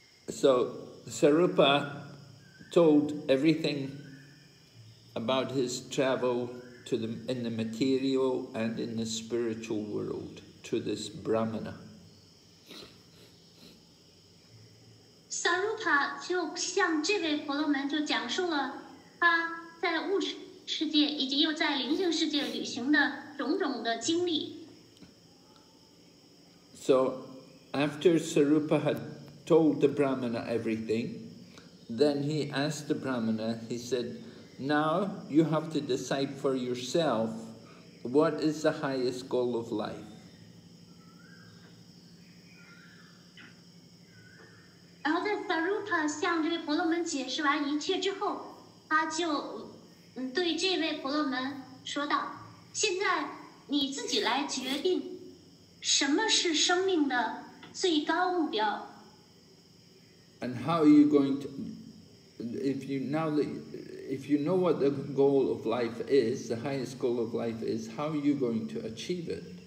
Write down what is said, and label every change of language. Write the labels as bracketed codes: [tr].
[en] So Sarupa told everything about his travel to the in the material and in the spiritual world to this Brahmana. [zh] Sarupa 就向这位婆罗门就讲述了他在物质世界以及又在灵性世界旅行的种种的经历。 [en] So after Sarupa had told the Brahmana everything, then he asked the Brahmana, he said, now you have to decide for yourself what is the highest goal of life. [zh] 然后在 Sarupa 向这位婆罗门解释完一切之后，他就对这位婆罗门说道，现在你自己来决定什么是生命的最高目标。 [en] And how are you going to, if you know what the goal of life is, the highest goal of life is, how are you going to achieve it?